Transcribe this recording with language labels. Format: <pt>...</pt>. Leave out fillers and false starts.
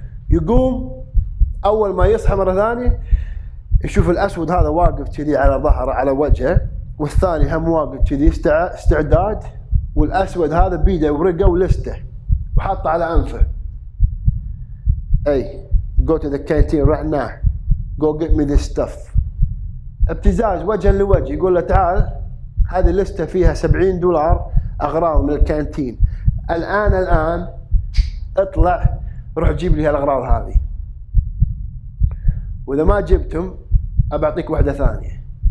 <ar>يقوم أول ما يصحى مرة ثانية يشوف الأسود هذا واقف كذي على ظهره على وجهه. والثاني هم واقف كذي استعداد، والأسود هذا بيده ورقة ولسته وحاطه على أنفه. أي</ar> <en>go to the canteen right now. Go get me this stuff.</en> <ar>ابتزاز وجه لوجه يقول له تعال هذه لسته فيها $70 أغراض من الكانتين. الآن اطلع روح جيب لي هالأغراض هذه. وإذا ما جبتهم أبعطيك واحدة ثانية.</ar>